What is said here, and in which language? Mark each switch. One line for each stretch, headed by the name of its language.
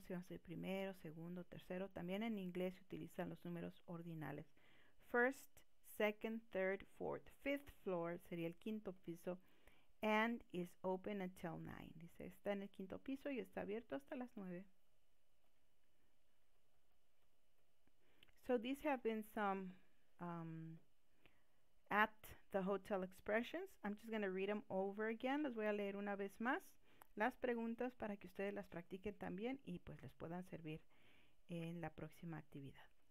Spanish: Si vamos a decir primero, segundo, tercero, también en inglés se utilizan los números ordinales.
English: First, second, third, fourth, fifth floor
Spanish: sería el quinto piso.
English: And is open until 9.
Spanish: Dice, está en el quinto piso y está abierto hasta las 9.
English: So these have been some at the hotel expressions. I'm just going to read them over again.
Spanish: Las voy a leer una vez más. Las preguntas para que ustedes las practiquen también y pues les puedan servir en la próxima actividad.